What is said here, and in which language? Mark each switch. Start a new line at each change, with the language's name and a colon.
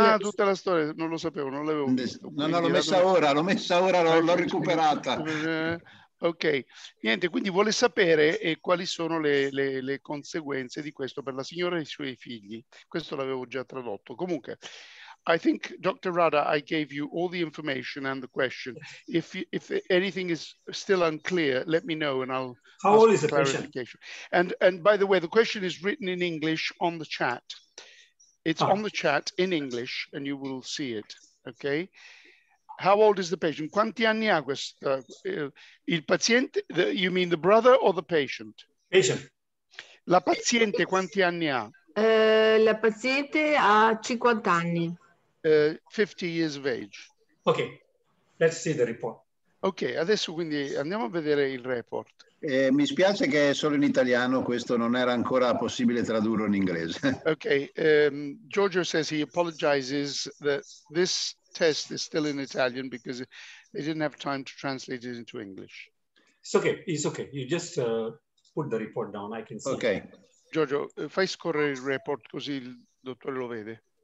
Italian: Tutta la storia, non lo sapevo, non l'avevo visto. No, l'ho messa ora, l'ho recuperata. Ok, niente, quindi vuole sapere quali sono le conseguenze di questo per la signora e i suoi figli. Questo l'avevo già tradotto. Comunque,
English: I think,
Italian: Dr.
English: Radha, I gave you all the information and the question. If anything is still unclear, let me know and I'll How old is the clarification. Question? And by the way, the question is written in English on the chat. It's on the chat in English and you will see it, okay? How old is the patient?
Italian: Quanti anni ha questo? Il paziente,
English: you mean the brother or the patient? Patient.
Italian: La paziente quanti anni ha? La paziente ha 50 anni.
English: 50 years of age. Ok, let's see the report.
Italian: Ok, adesso quindi andiamo a vedere il report. Mi spiace che è solo in italiano, questo non era ancora possibile tradurlo in inglese.
English: Ok, Giorgio says he apologizes that this test is still in Italian because they didn't have time to translate it into English. It's okay. You just put the report down. I can see. Okay.
Italian: Giorgio, fai scorrere il report così il dottore lo vede.